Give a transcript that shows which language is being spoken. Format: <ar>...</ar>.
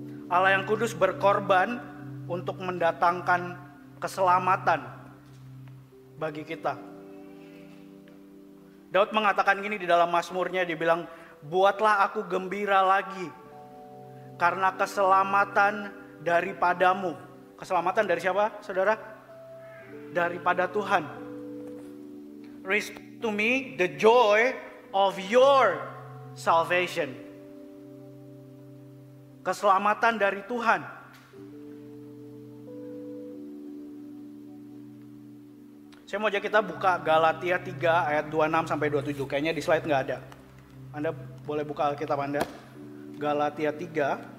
<id>Allah yang kudus berkorban untuk mendatangkan keselamatan bagi kita. Daud mengatakan gini di dalam Mazmurnya, dia bilang, buatlah aku gembira lagi karena keselamatan daripadamu. Keselamatan dari siapa, saudara? Daripada Tuhan.</id> <en>Restore to me the joy of your salvation.</en> <id>Keselamatan dari Tuhan. Saya mau ajak kita buka Galatia 3 ayat 26-27. Kayaknya di slide gak ada. Anda boleh buka Alkitab Anda. Galatia 3.</id>